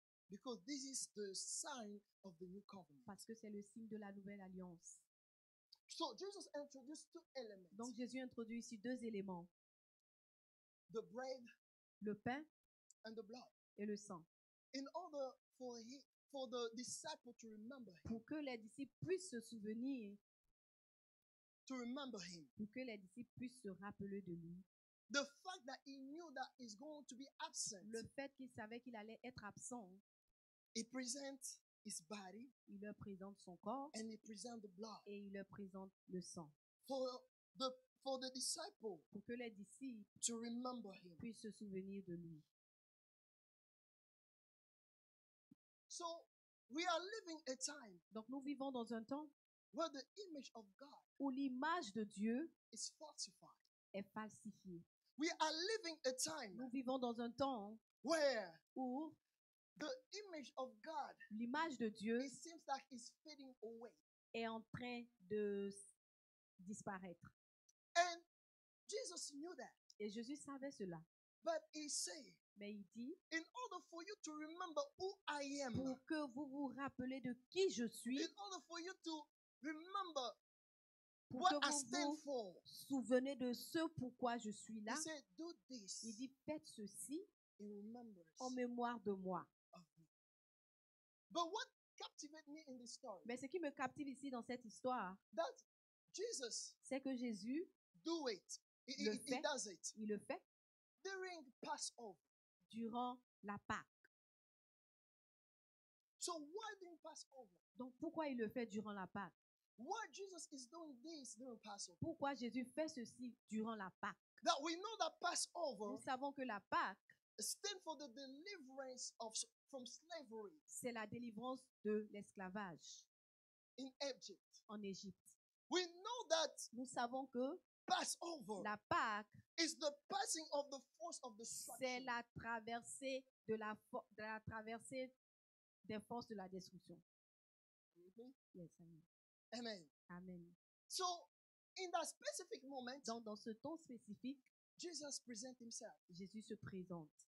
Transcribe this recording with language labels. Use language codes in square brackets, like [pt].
[en] Because this is the sign of the new covenant. [fr] Parce que c'est le signe de la nouvelle alliance. [en] So Jesus introduced two elements. [fr] Donc Jésus introduit ici deux éléments. [en] The bread, [fr] le pain, [en] and the blood, [fr] et le sang. [en] In order for the disciple to remember him. [fr] Pour que les disciples puissent se souvenir. [en] To remember him. [fr] Pour que les disciples puissent se rappeler de lui. [en] The fact that he knew that he's going to be absent. [fr] Le fait qu'il savait qu'il allait être absent. [en] He presents his body, [fr] il leur présente son corps, [en] and he presents the blood, [fr] et il leur présente le sang. [en] For the disciple, [fr] pour que les disciples, [en] to remember him, [fr] puissent se souvenir de lui. [en] So we are living a time, [fr] donc nous vivons dans un temps, [en] where the image of God, [fr] où l'image de Dieu, [en] is falsified, [fr] est falsifiée. [en] We are living a time, [fr] nous vivons dans un temps, [en] where, [fr] où [en] the image of God, [fr] l'image de Dieu, [en] it seems like it's fading away, [fr] est en train de disparaître. [en] And Jesus knew that. [fr] Et Jésus savait cela. [en] But he said, [fr] mais il dit, [en] in order for you to remember who I am, [fr] pour que vous vous rappelez de qui je suis, [en] in order for you to remember [fr] pour [en] what [fr] que vous [en] I stand [fr] vous [en] for, [fr] souvenez de ce pourquoi je suis là. [en] He said, do this. [fr] Il dit, faites ceci. [en] In remembrance [fr] en mémoire de moi. [en] But what captivated me in this story, [fr] mais ce qui me captive ici dans cette histoire, [en] that Jesus, [fr] c'est que Jésus [en] do it. [fr] Le fait, [en] he does it. [fr] Il le fait [en] during Passover. [fr] Durant la Pâque. [en] So why during Passover? [fr] Donc pourquoi il le fait durant la Pâque? [en] Why Jesus is doing this during Passover? [fr] Pourquoi Jésus fait ceci durant la Pâque? [en] That we know that Passover, [fr] nous savons que la Pâque [en] stand for the deliverance of from slavery. [fr] C'est la délivrance de l'esclavage. [en] In Egypt. [fr] En Égypte. [en] We know that. [fr] Nous savons que [en] Passover. [fr] La Pâque. [en] Is the passing of the force of destruction. [fr] C'est la traversée de la traversée des forces de la destruction. Mm-hmm. [en] Yes, amen. Amen. Amen. So, in that specific moment. [fr] Donc, dans ce temps spécifique. [en] Jesus presents himself. [fr] Jésus se présente.